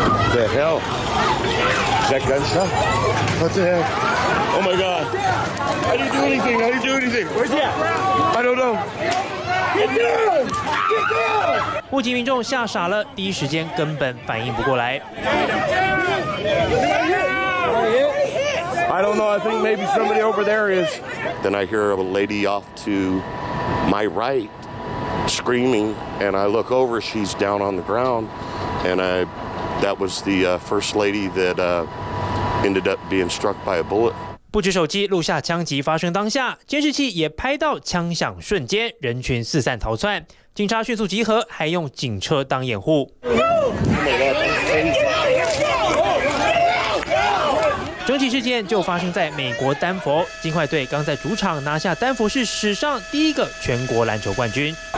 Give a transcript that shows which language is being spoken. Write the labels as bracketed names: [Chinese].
[English] The hell? Is that gunshot? What the hell? Oh my god! How do you do anything? How do you do anything? Where's he at? I don't know. Get down! Get down! [Chinese] 目击民众吓傻了，第一时间根本反应不过来。 [English] I don't know. I think maybe somebody over there is. Then I hear a lady off to. My right, screaming, and I look over, she's down on the ground, and I, that was the first lady that ended up being struck by a bullet. [Chinese] 不止手机录下枪击发生当下，监视器也拍到枪响瞬间，人群四散逃窜，警察迅速集合，还用警车当掩护。整起事件就发生在美国丹佛，金块队刚在主场拿下丹佛市史上第一个全国篮球冠军。